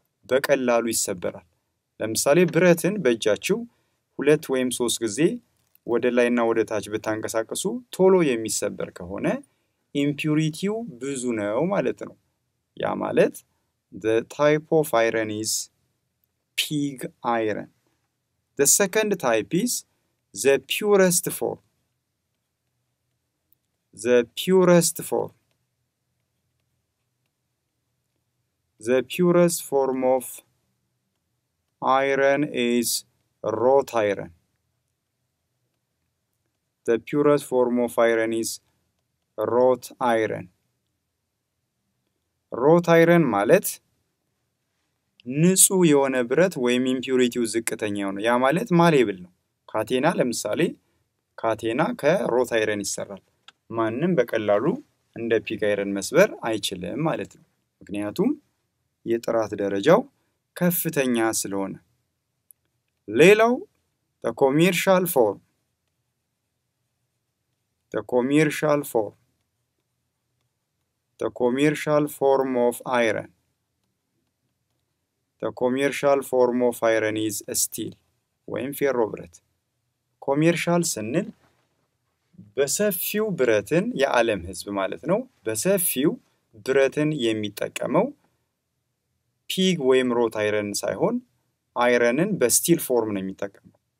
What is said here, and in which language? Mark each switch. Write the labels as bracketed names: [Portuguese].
[Amharic] በቀላሉ ይሰበራል። ለምሳሌ ብረትን በእጃችሁ ሁለት ወይም ሶስት ጊዜ ወደ ላይና ወደ ታች በታንቀሳቀሱ ቶሎ የሚሰበር ከሆነ impurity-ው ብዙ ነው ማለት ነው። ያ ማለት [English] the type of iron is pig iron. The second type is the purest form. The purest form. The purest form of iron is wrought iron. The purest form of iron is wrought iron. [Amharic] Wrought iron ማለት ንጹህ የሆነ ብረት ወይም impurity-ው ዝቅተኛ ነው። ያ ማለት malleable ነው። ካቴና ለምሳሌ ካቴና ከwrought iron ይሰራል። ማንንም በቀላሉ እንደ pig iron መስበር አይችልም ማለት ነው። ምክንያቱም የጥራት ደረጃው ከፍተኛ ስለሆነ። ሌላው [English] the commercial form. The commercial form. The commercial form of iron. The commercial form of iron is steel. [Amharic] ወይም ፌሮ ብረት። commercial ስንል በሰፊው ብረትን የዓለም ህዝብ ማለት ነው። በሰፊው ብረትን የሚጠቀመው pig ወይም wrought iron ሳይሆን አይረንን በስቲል ፎርም ነው የሚጠቀመው።